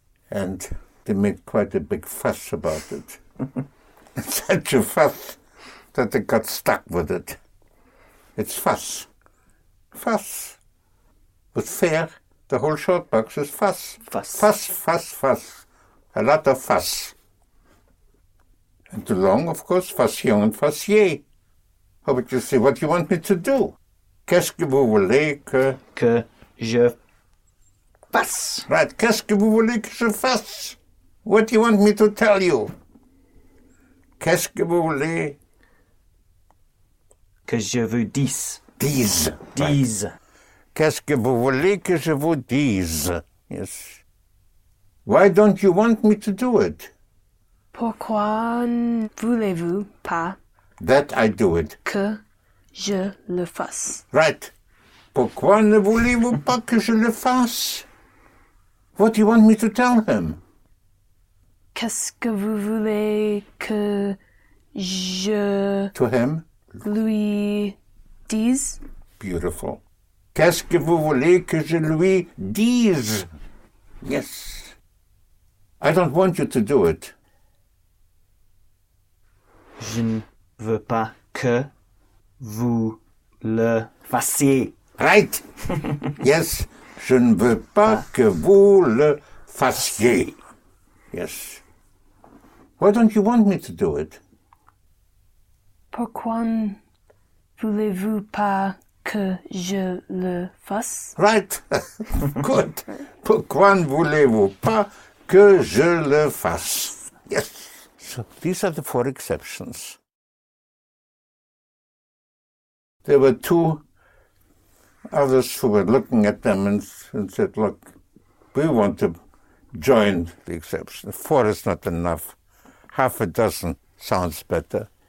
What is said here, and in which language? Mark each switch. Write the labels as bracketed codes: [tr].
[en] And they made quite a big fuss about it. Such a fuss that they got stuck with it. It's fuss. Fuss. With faire, the whole short box is fuss. Fuss. Fuss, fuss, fuss. A lot of fuss. And too long, of course, fassion and fassier. How would you say, what do you want me to do? [fr] Qu'est-ce que vous voulez que... Que je fasse. Right, qu'est-ce que vous voulez que je fasse? [en] What do you want me to tell you? [fr] Qu'est-ce que vous voulez... Que je vous dise. Dise. Dise. Right. Qu'est-ce que vous voulez que je vous dise? [en] Yes. Why don't you want me to do it? [fr] Pourquoi ne voulez-vous pas [en] that I do it? [fr] Que je le fasse. [en] Right. [fr] Pourquoi ne voulez-vous pas que je le fasse? [en] What do you want me to tell him? [fr] Qu'est-ce que vous voulez que je... [en] To him? [fr] Lui dise. [en] Beautiful. [fr] Qu'est-ce que vous voulez que je lui dise? [en] Yes. I don't want you to do it. [fr] Je ne veux pas que vous le fassiez. [en] Right. Yes. [fr] Je ne veux pas que vous le fassiez. [en] Yes. Why don't you want me to do it? [fr] Pourquoi ne voulez-vous pas que je le fasse? [en] Right. Good. [fr] Pourquoi ne voulez-vous pas que je le fasse? [en] Yes. So these are the four exceptions. There were two others who were looking at them and said, look, we want to join the exception. Four is not enough. Half a dozen sounds better.